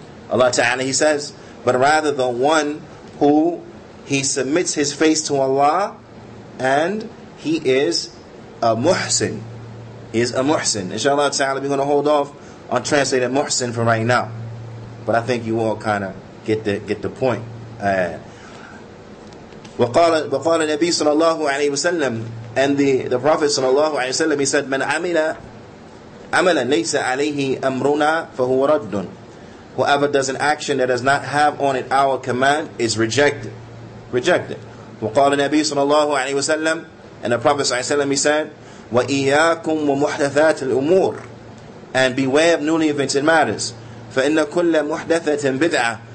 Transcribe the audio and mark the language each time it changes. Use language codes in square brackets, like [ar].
[en] Allah Ta'ala, He says, but rather the one who he submits his face to Allah and he is a muhsin. He is a muhsin. Inshallah Ta'ala, we're going to hold off on translating muhsin for right now. But I think you all kind of get the point. [ar] وقال النبي صلى الله عليه وسلم, [en] and the Prophet [ar] صلى الله عليه وسلم, [en] he said, [ar] من عمل عملا ليس عليه أمرنا فهو رد. [en] Whoever does an action that does not have on it our command is rejected. Rejected. [ar] وقال النبي [en] صلى الله عليه وسلم, and the Prophet صلى الله عليه وسلم, he said, [ar] وإياكم ومحدثات الأمور, [en] and beware of newly invented matters. [ar] فإن كل محدثة بدعة.